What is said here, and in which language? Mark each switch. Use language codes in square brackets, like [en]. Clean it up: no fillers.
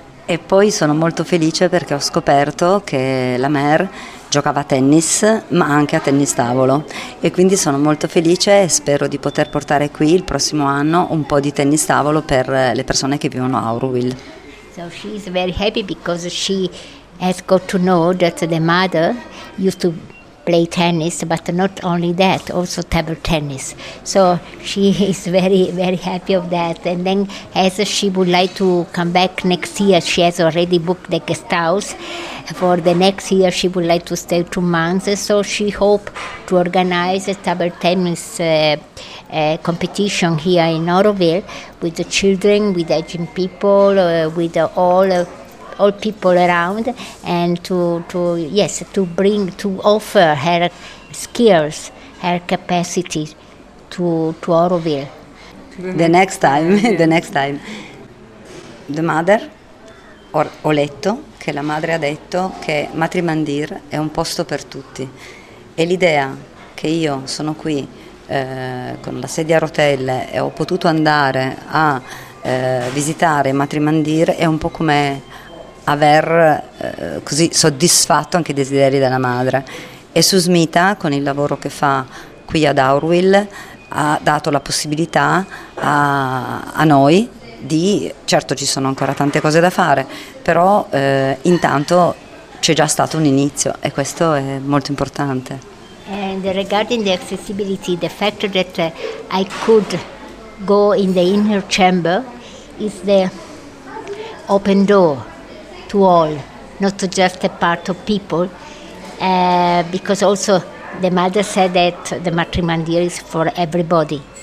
[it] E poi sono molto felice perché ho scoperto che la Mer giocava a tennis, ma anche a tennis tavolo. E quindi sono molto felice e spero di poter portare qui il prossimo anno un po' di tennis tavolo per le persone che vivono a Auroville. [en] So she is very happy because she has got to know that the mother used to play tennis, but not only that, also table tennis. So she is very, very happy of that. And then as she would like to come back next year, she has already booked the guest house. For the next year, she would like to stay 2 months. So she hopes to organize a table tennis competition here in Auroville with the children, with aging people, with all people around, and to offer her skills, her capacity to Auroville. The next time. The mother, [it] ho letto che la madre ha detto che Matri Mandir è un posto per tutti, e l'idea che io sono qui con la sedia a rotelle e ho potuto andare a visitare Matri Mandir è un po' come aver così soddisfatto anche i desideri della madre. E Susmita, con il lavoro che fa qui ad Auroville, ha dato la possibilità a noi di, certo ci sono ancora tante cose da fare, però intanto c'è già stato un inizio e questo è molto importante. [en] And regarding the accessibility, the fact that I could go in the inner chamber is the open door to all, not just a part of people, because also the mother said that the Matri Mandir is for everybody.